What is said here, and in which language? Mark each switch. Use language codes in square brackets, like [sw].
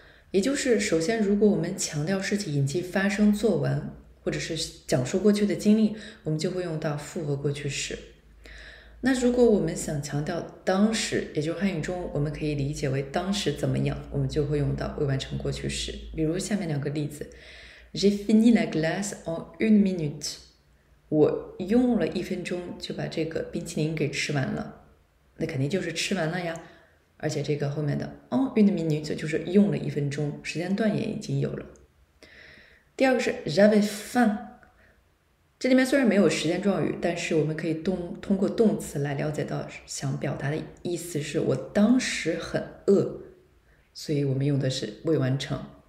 [zh] 也就是，首先，如果我们强调事情已经发生、做完，或者是讲述过去的经历，我们就会用到复合过去式。那如果我们想强调当时，也就是汉语中我们可以理解为当时怎么样，我们就会用到未完成过去式。比如下面两个例子： [fr] J'ai fini la glace en une minute。 [zh] 我用了1分钟就把这个冰淇淋给吃完了，那肯定就是吃完了呀。而且这个后面的 en une minute 就是用了1分钟，时间段也已经有了。第二个是 [fr] j'avais faim， [zh] 这里面虽然没有时间状语，但是我们可以通过动词来了解到想表达的意思是我当时很饿，所以我们用的是未完成。